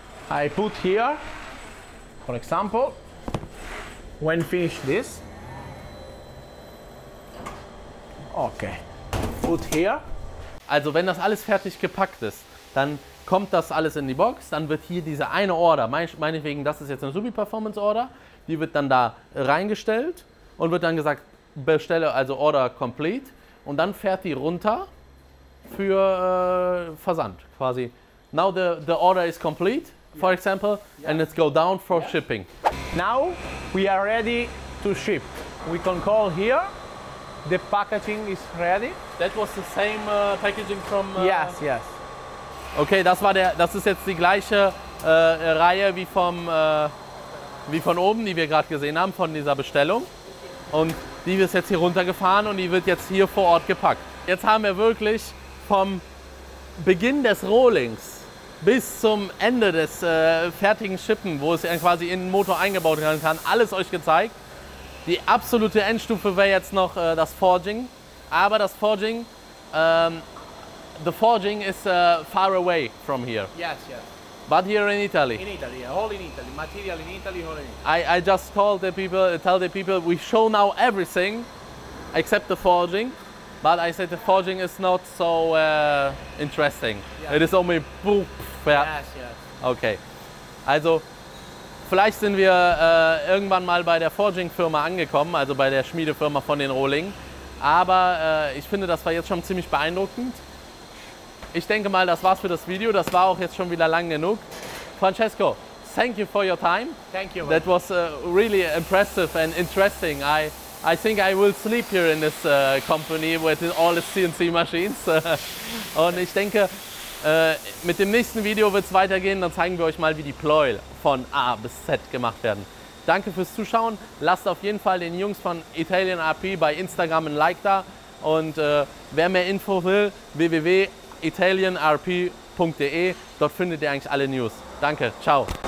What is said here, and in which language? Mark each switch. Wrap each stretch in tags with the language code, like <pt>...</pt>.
<en>I put here, for example, when finish this, okay, put here.</en> <de>Also wenn das alles fertig gepackt ist, dann kommt das alles in die Box, dann wird hier diese eine Order, meinetwegen das ist jetzt eine Subi-Performance Order, die wird dann da reingestellt und wird dann gesagt, bestelle also Order complete und dann fährt die runter für Versand quasi.</de> <en>Now the order is complete. For example, and let's go down for shipping. Now we are ready to ship. We can call here. The packaging is ready. That was the same packaging from. Yes.</en> <de>Okay, das ist jetzt die gleiche Reihe wie von oben, die wir gerade gesehen haben von dieser Bestellung. Und die ist jetzt hier runtergefahren und die wird jetzt hier vor Ort gepackt. Jetzt haben wir wirklich vom Beginn des Rollings bis zum Ende des fertigen Shippen, wo es quasi in den Motor eingebaut werden kann, alles euch gezeigt. Die absolute Endstufe wäre jetzt noch das Forging. Aber das Forging,</de> <en>the Forging is far away from here. Yes. But here in Italy. In Italy, all in Italy, material in Italy, all in Italy. I just told the people, we show now everything, except the Forging. But I said the forging is not so interesting. Yes. It is only boop. Yes. Okay.</en> <de>Also, vielleicht sind wir irgendwann mal bei der Forging-Firma angekommen, also bei der Schmiedefirma von den Rohlingen. Aber ich finde, das war jetzt schon ziemlich beeindruckend. Ich denke mal, das war's für das Video. Das war auch jetzt schon wieder lang genug.</de> <en>Francesco, thank you for your time. Thank you. That was really impressive and interesting. I think I will sleep here in this company with all the CNC machines.</en> <de>Und ich denke, mit dem nächsten Video wird es weitergehen. Dann zeigen wir euch mal, wie die Pleuel von A bis Z gemacht werden. Danke fürs Zuschauen. Lasst auf jeden Fall den Jungs von Italian RP bei Instagram ein Like da. Und wer mehr Info will, www.italianrp.de. Dort findet ihr eigentlich alle News. Danke. Ciao.</de>